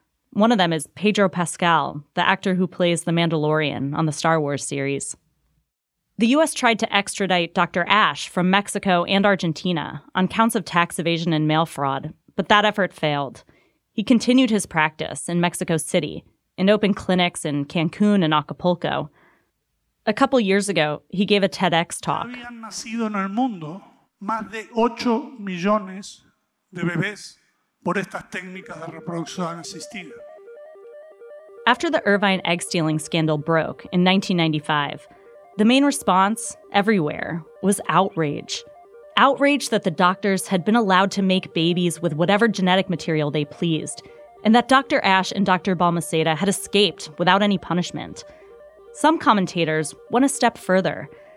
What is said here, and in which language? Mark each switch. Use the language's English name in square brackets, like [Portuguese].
[English] One of them is Pedro Pascal, the actor who plays the Mandalorian on the Star Wars series. The U.S. tried to extradite Dr. Ash from Mexico and Argentina on counts of tax evasion and mail fraud, but that effort failed. He continued his practice in Mexico City and opened clinics in Cancun and Acapulco. A couple years ago, he gave a TEDx talk. [Spanish] Habían nacido en el mundo más de 8 millones de bebés por estas técnicas de reproducción asistida. [English] After the Irvine egg-stealing scandal broke in 1995, the main response, everywhere, was outrage. Outrage that the doctors had been allowed to make babies with whatever genetic material they pleased, and that Dr. Ash and Dr. Balmaceda had escaped without any punishment. Some commentators went a step further.